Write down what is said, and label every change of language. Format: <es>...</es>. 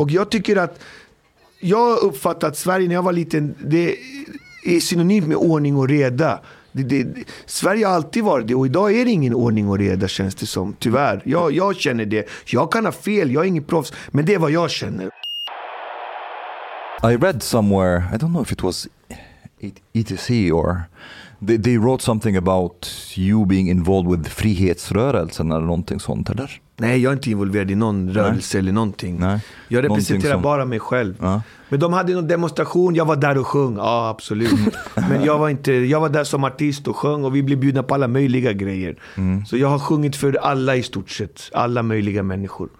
<sv>Och jag tycker att, jag uppfattar att Sverige när jag var liten, det är synonymt med ordning och reda. Sverige har alltid varit det. Och idag är det ingen ordning och reda känns det som. Tyvärr, jag känner det. Jag kan ha fel, jag är ingen proffs. Men det är vad jag känner.</sv> <en>I read somewhere, I don't know if it was ETC or they wrote something about you being involved with frihetsrörelsen</en> <sv>eller någonting sånt, eller? Nej, jag är inte involverad i någon rörelse eller någonting. Nej. Jag representerar som... bara mig själv. Ja. Men de hade någon demonstration, jag var där och sjöng. Ja, absolut. Men jag var inte, jag var där som artist och sjöng och vi blev bjudna på alla möjliga grejer. Mm. Så jag har sjungit för alla i stort sett, alla möjliga människor.</sv>